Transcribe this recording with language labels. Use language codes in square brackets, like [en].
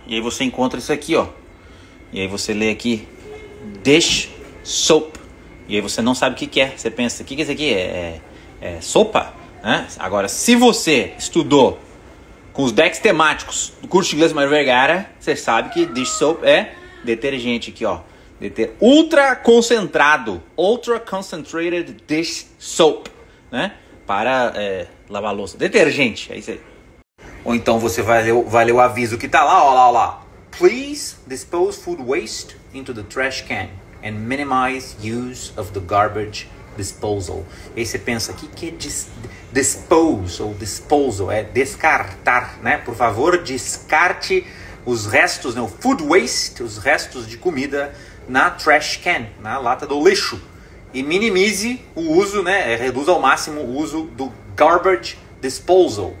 [pt] E aí você encontra isso aqui, ó. E aí você lê aqui, dish soap. E aí você não sabe o que é. Você pensa, o que é isso aqui? É sopa? Né? Agora, se você estudou com os decks temáticos do curso de inglês Mário Vergara, você sabe que dish soap é detergente aqui, ó. Ultra concentrado. [en] Ultra concentrated dish soap, né? [pt] Para lavar louça. Detergente, é isso aí. Ou então você vai ler o aviso que tá lá, ó lá, ó lá. [en] Please dispose food waste into the trash can and minimize use of the garbage disposal. [pt] E aí você pensa, o que é dispose ou disposal? É descartar, né? Por favor, descarte os restos, né? O food waste, os restos de comida na trash can, na lata do lixo. E minimize o uso, né? Reduza ao máximo o uso do garbage disposal.